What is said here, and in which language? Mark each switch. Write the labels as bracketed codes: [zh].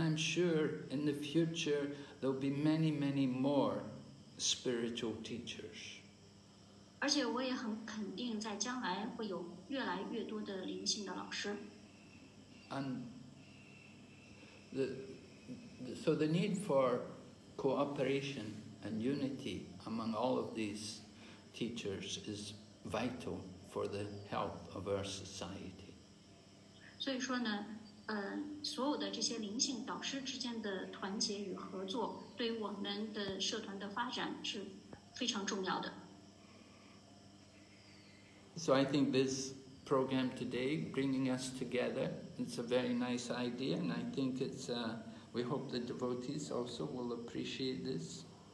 [en] I'm sure in the future there will be many, many more spiritual teachers. [zh] 而且我也很肯定在将来会有越来越多的灵性的老师。 [en] And the need for cooperation and unity among all of these teachers is vital for the health of our society. [zh] 所以说呢，所有的这些灵性导师之间的团结与合作，对我们的社团的发展是非常重要的。 [en] So I think this program today, bringing us together, it's a very nice idea, and I think it's, we hope the devotees also will appreciate this.